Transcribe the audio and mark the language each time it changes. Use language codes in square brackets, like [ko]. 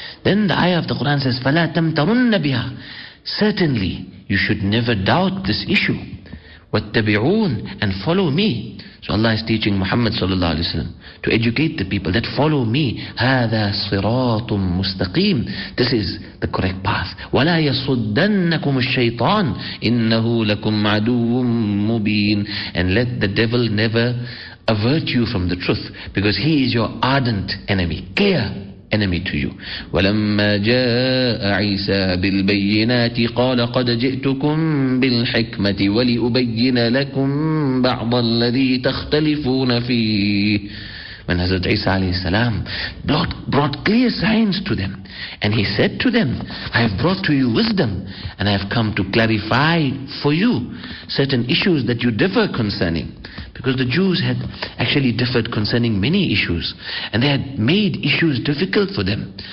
[en] Then the ayah of the Quran says, [ar] فَلَا تَمْتَرُنَّ بِهَا. [en] Certainly, you should never doubt this issue. [ar] واتبعون, [en] and follow me. So Allah is teaching Muhammad sallallahu alaihi wasallam to educate the people that follow me. [ar] هذا صراط مستقيم. [en] This is the correct path. [ar] ولا يصدنكم الشيطان إنه لكم عدو مبين. [en] And let the devil never avert you from the truth, because he is your ardent enemy, clear enemy to you. [ar] ولما جاء عيسى بالبينات قال قد جئتكم بالحكمة ولأبين لكم بعض الذي تختلفون فيه. [en] When Hazrat Isa alayhi salam brought clear signs to them, and he said to them, I have brought to you wisdom, and I have come to clarify for you certain issues that you differ concerning. Because the Jews had actually differed concerning many issues, and they had made issues difficult for them.